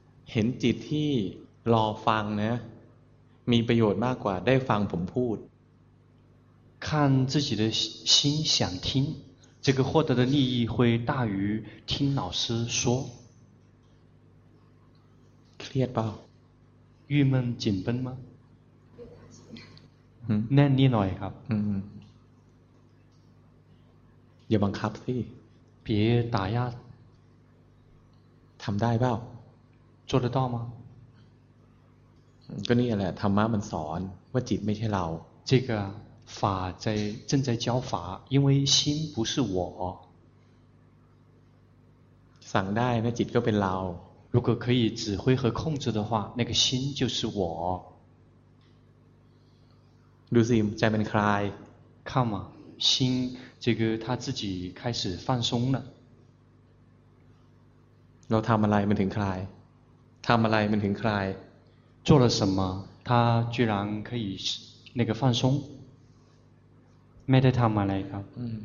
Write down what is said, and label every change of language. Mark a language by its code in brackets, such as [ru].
[th] เห็นจิตที่รอฟังนะมีประโยชน์มากกว่าได้ฟังผมพูด [zh] 看自己的心想听这个获得的利益会大于听老师说。 [th] เครียดเปล่า [zh] 郁闷紧绷吗？ [th] แน่นนิดหน่อยครับ อย่าบังคับสิ [zh] 别打压 [th] ทำได้เปล่า [zh] 做得到吗？ [th] ก็นี่แหละธรรมะมันสอนว่าจิตไม่ใช่เรา [zh] 这个法在正在教法因为心不是我 [th] สั่งได้นะจิตก็เป็นเรา [zh] 如果可以指挥和控制的话那个心就是我 [th] ดูสิใจเป็นคลาย [zh] 看嘛心这个他自己开始放松了 [th] เราทำอะไรมันถึงคลายทำอะไรมันถึงคลาย [zh] 做了什么他居然可以那个放松 [th] ไม่ได้ทำอะไรครับ